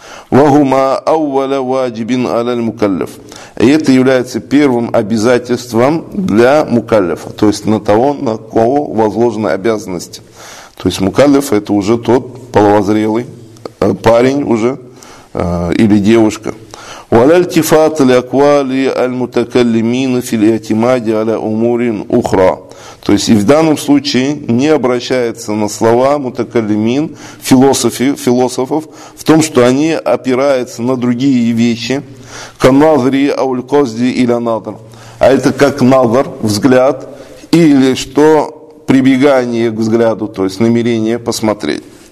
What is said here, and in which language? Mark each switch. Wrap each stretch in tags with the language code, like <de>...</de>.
<ru>Вагума аввала ваджибин аляль мукаллиф. И это является первым обязательством для мукаллифа. То есть на того, на кого возложены обязанности. То есть мукаллиф это уже тот половозрелый парень уже или девушка.</ru> <ar>والالتفات لأقوال المتكلمين في الاعتماد على أمور أخرى.</ar> <ru>То есть и в данном случае не обращается на слова мутакаллимин, философов, в том, что они опираются на другие вещи.</ru> <ar>كنظر أو القصد إلى نظر.</ar> <ru>А это как نظر, взгляд, или что прибегание к взгляду, то есть намерение посмотреть.</ru>